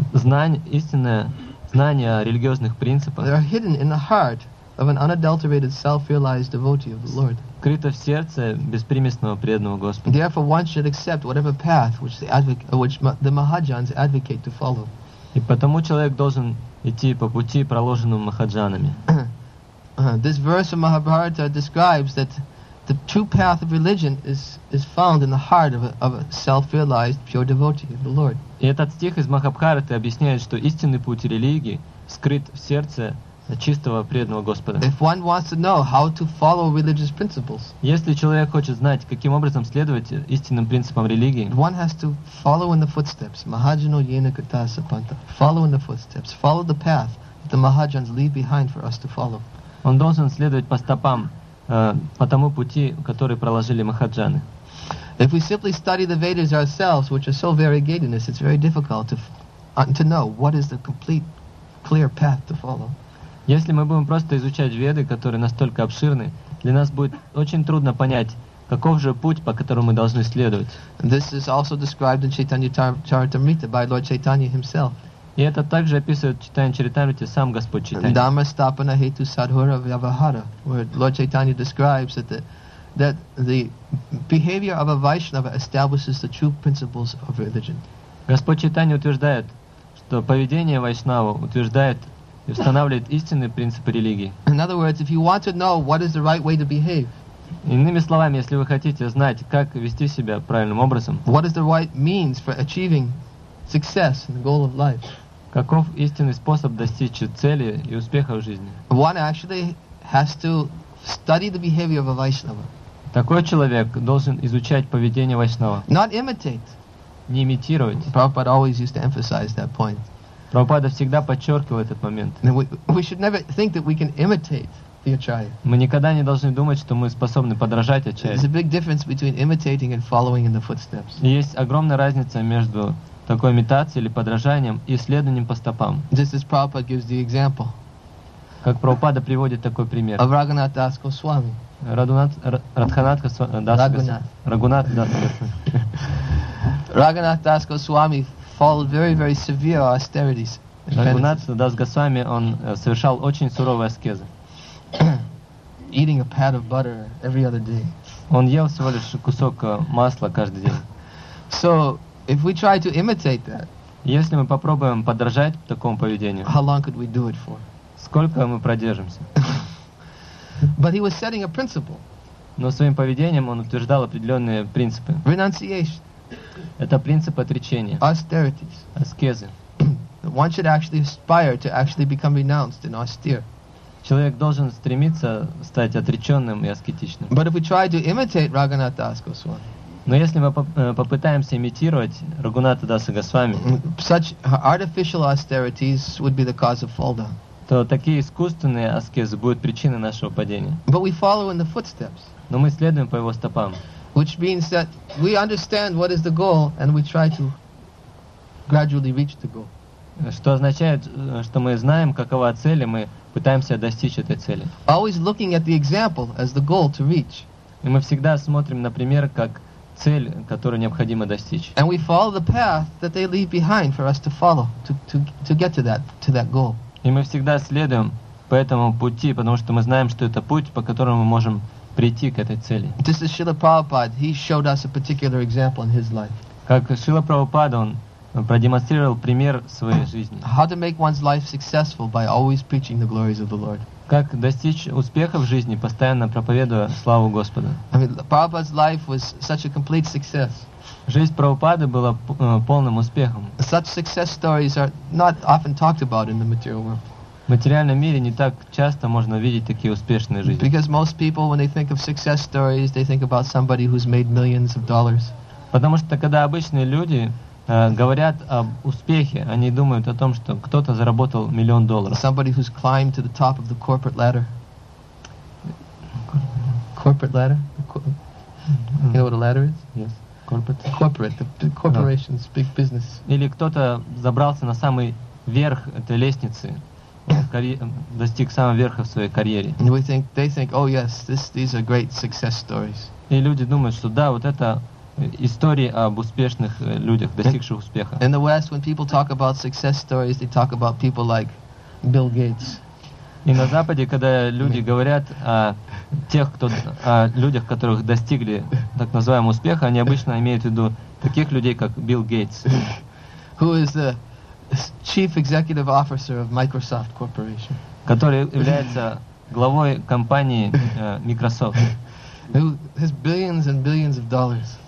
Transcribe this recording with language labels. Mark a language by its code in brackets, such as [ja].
[ru] Истинное знание о религиозных принципах. [en] They are hidden in the heart of an unadulterated, self-realized devotee of the Lord. [ru] Скрыто в сердце беспримесного преданного Господа. [en] Therefore, one should accept whatever path which the Mahajans advocate to follow. [ru] И потому человек должен идти по пути, проложенному махаджанами. [en] This verse of Mahabharata describes that the true path of religion is found in the heart of a self-realized pure devotee of the Lord. [ru] И этот стих из Махабхараты объясняет, что истинный путь религии скрыт в сердце чистого преданного Господа. [en] If one wants to know how to follow religious principles, [ru] если человек хочет знать, каким образом следовать истинным принципам религии, [en] one has to follow in the footsteps, [sa] mahajano yena kata sapanta. [en] Follow in the footsteps, follow the path that the mahajans leave behind for us to follow. [ru] Он должен следовать по стопам, по тому пути, который проложили махаджаны. [en] If we simply study the Vedas ourselves, which are so variegated, it's very difficult to know what is the complete, clear path to follow. [ru] Если мы будем просто изучать Веды, которые настолько обширны, для нас будет очень трудно понять, каков же путь, по которому мы должны следовать. [en] This is also described in Chaitanya Charitamrita by Lord Chaitanya himself. [ru] И это также описывает в Chaitanya Charitamrita сам Господь Chaitanya. [bn] Dhamma stapana hetu sadhura vyavahara, [en] where Lord Chaitanya describes that the behavior of a Vaishnava establishes the true principles of religion. [ru] Господь Chaitanya утверждает, что поведение Вайшнава утверждает и устанавливает истинные принципы религии. [en] In other words, if you want to know what is the right way to behave. [ru] Иными словами, если вы хотите знать, как вести себя правильным образом. [en] What is the right means for achieving success and the goal of life? [ru] Каков истинный способ достичь цели и успеха в жизни? [en] One actually has to study the behavior of a Vaishnava. [ru] Такой человек должен изучать поведение Вайшнава. [en] Not imitate. [ru] Не имитировать. [en] Prabhupada always used to emphasize that point. [ru] Прабхупада всегда подчеркивал этот момент. [en] We should never think that we can imitate the Acharya. [ru] Мы никогда не должны думать, что мы способны подражать Ачарье. [en] There's a big difference between imitating and following in the footsteps. [ru] Есть огромная разница между такой имитацией или подражанием и следованием по стопам. [en] This is Prabhupada gives the example. [ru] Как Прабхупада приводит такой пример. Рагунат Дас Госвами. Рагунат Дас Госвами. [en] Рагунат Дас Госвами followed very, very severe austerities. [ru] Рагунат Дас Госвами, он совершал очень суровые аскезы. [en] Eating a pat of butter every other day. [ru] Он ел всего лишь кусок масла каждый день. [en] So, if we try to imitate that, [ru] если мы попробуем подражать такому поведению, [en] how long could we do it for? [ru] Сколько мы продержимся? [en] But he was setting a principle. [ru] Но своим поведением он утверждал определенные принципы. [en] Renunciation. [ru] Это принцип отречения. [en] Austerities. [ru] Аскезы. [en] One should actually aspire to actually become renounced and austere. [ru] Человек должен стремиться стать отреченным и аскетичным. [en] But if we try to imitate Raghunath Das Goswami, [ru] но если мы попытаемся имитировать Рагунатха Даса Госвами, [en] such artificial austerities would be the cause of fall down. [ru] То такие искусственные аскезы будут причиной нашего падения. [en] But we follow in the footsteps. [ru] Но мы следуем по его стопам. [en] Which means that we understand what is the goal and we try to gradually reach the goal. [ru] Что означает, что мы знаем, какова цель, и мы пытаемся достичь этой цели. [en] Always looking at the example as the goal to reach. [ru] И мы всегда смотрим на пример как цель, которую необходимо достичь. [en] And we follow the path that they leave behind for us to follow to get to that goal. [ru] И мы всегда следуем по этому пути, потому что мы знаем, что это путь, по которому мы можем прийти к этой цели. [en] This is Srila Prabhupada. He showed us a particular example in his life. [ru] Как Шрила Прабхупада, он продемонстрировал пример своей жизни. [en] How to make one's life successful by always preaching the glories of the Lord. [ru] Как достичь успеха в жизни, постоянно проповедуя славу Господа. [en] I mean, Prabhupada's life was such a complete success. [ru] Жизнь Прабхупады была полным успехом. [en] Such success stories are not often talked about in the material world. [ru] В материальном мире не так часто можно видеть такие успешные жизни. [en] Because most people, when they think of success stories, they think about somebody who's made millions of dollars. [ru] Потому что когда обычные люди говорят об успехе, они думают о том, что кто-то заработал миллион долларов. [en] Somebody who's climbed to the top of the corporate ladder. Corporate ladder? You know what a ladder is? Yes. Corporate, the corporations, big business. [ru] Или кто-то забрался на самый верх этой лестницы, достиг самого верха в своей карьере. [en] And they think, oh yes, these are great success stories. [ru] И люди думают, что да, вот это истории об успешных людях, достигших успеха. [en] In the West, when people talk about success stories, they talk about people like Bill Gates. [ru] И на Западе, когда люди говорят о тех, кто, о людях, которых достигли так называемого успеха, они обычно имеют в виду таких людей, как Билл Гейтс. [en] Who is the chief executive officer of Microsoft Corporation. [ru] Который является главой компании Microsoft. [en] Who has billions and billions of dollars.